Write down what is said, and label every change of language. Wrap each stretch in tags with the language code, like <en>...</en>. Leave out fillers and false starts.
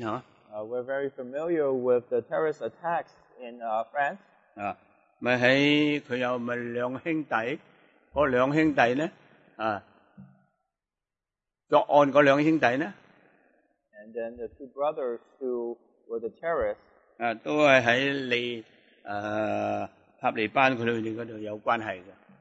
<en>We're very familiar with the terrorist attacks in France.</en> <zh>他有兩兄弟,那兩兄弟呢,作案的兩兄弟呢,</zh> <en>And then the two brothers who were the terrorists,</en> <zh>都是在塔利班那裡有關係的。</zh>